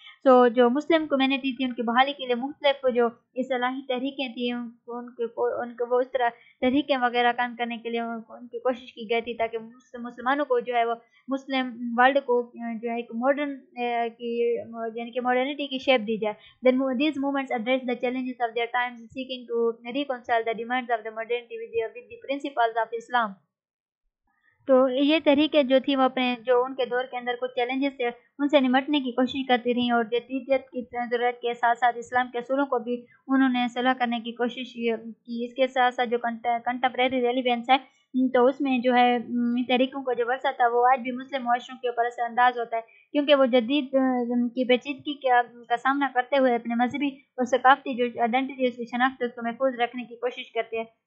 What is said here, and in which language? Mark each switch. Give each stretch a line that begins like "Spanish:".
Urdu: سو جو مسلم کمیونٹی تھی ان کی بحالی کے لیے مختلف جو اصلاحی تحریکیں تھیں ان کے وہ اس طرح تحریکیں وغیرہ قائم کرنے کے لیے ان کی کوشش کی گئی تھی تاکہ مسلمانوں کو جو ہے وہ مسلم ورلڈ کو جو ہے ایک ماڈرن کی یعنی کہ ماڈرنٹی کی شیپ دی جائے.
English: Then these movements address the challenges of their times seeking to reconcile the demands of the modernity with the principles of Islam.
Urdu: تو یہ طریقے جو تھی وہ اپنے جو ان کے دور کے اندر کچھ چیلنجز تھے ان سے نمٹنے کی کوشش کرتی رہیں, اور جدیدیت کی ضرورت کے ساتھ ساتھ اسلام کے اصولوں کو بھی انہوں نے صلاح کرنے کی کوشش کی. اس کے ساتھ ساتھ جو کنٹمپریری ریلیونس ہے تو اس میں جو ہے تحریکوں کا جو ورثہ تھا وہ آج بھی مسلم معاشروں کے اوپر اثر انداز ہوتا ہے, کیونکہ وہ جدید کی پیچیدگی کا سامنا کرتے ہوئے اپنے مذہبی اور ثقافتی جو آئیڈینٹی اس کی شناخت اس کو محفوظ رکھنے کی کوشش کرتے ہیں.